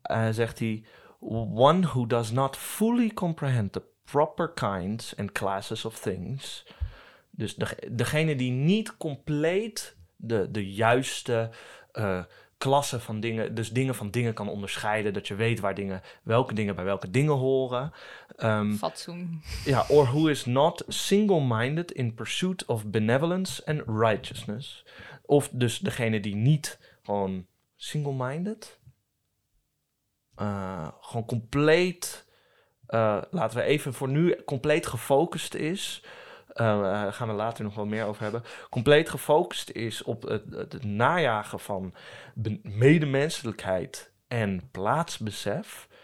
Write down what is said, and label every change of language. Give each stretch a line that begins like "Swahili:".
Dutch: Zegt hij,
English: one who does not fully comprehend the proper kinds and classes of things.
Dutch: Dus degene die niet compleet de juiste klasse van dingen, dus dingen van dingen kan onderscheiden, dat je weet waar dingen, welke dingen bij welke dingen horen. Fatsoen.
English: Ja, or who is not single-minded in pursuit of benevolence and righteousness.
Dutch: Of dus degene die niet gewoon single-minded, gewoon compleet, laten we even voor nu, compleet gefocust is. Gaan we later nog wel meer over hebben. Compleet gefocust is op het najagen van medemenselijkheid en plaatsbesef.